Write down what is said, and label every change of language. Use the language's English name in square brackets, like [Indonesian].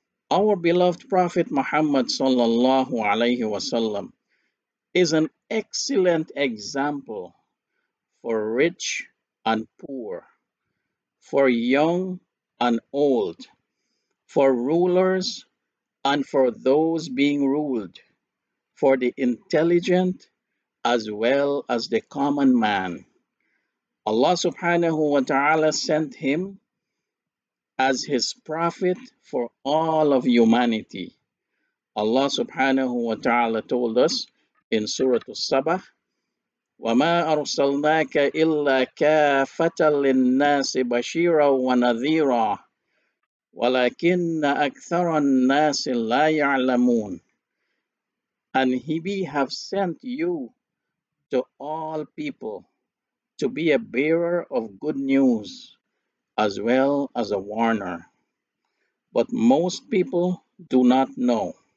[English] Our beloved Prophet Muhammad sallallahu alaihi wasallam is an excellent example for rich and poor, for young and old, for rulers and for those being ruled, for the intelligent as well as the common man. Allah subhanahu wa ta'ala sent him as His prophet for all of humanity. Allah subhanahu wa ta'ala told us in Surah Al-Sabah, [Arabic] وَمَا أَرْسَلْنَاكَ إِلَّا كَافَةً لِلنَّاسِ بَشِيرًا وَنَذِيرًا وَلَكِنَّ أَكْثَرَ النَّاسِ لَا يَعْلَمُونَ. [English] And we have sent you to all people to be a bearer of good news, as well as a warner. But most people do not know.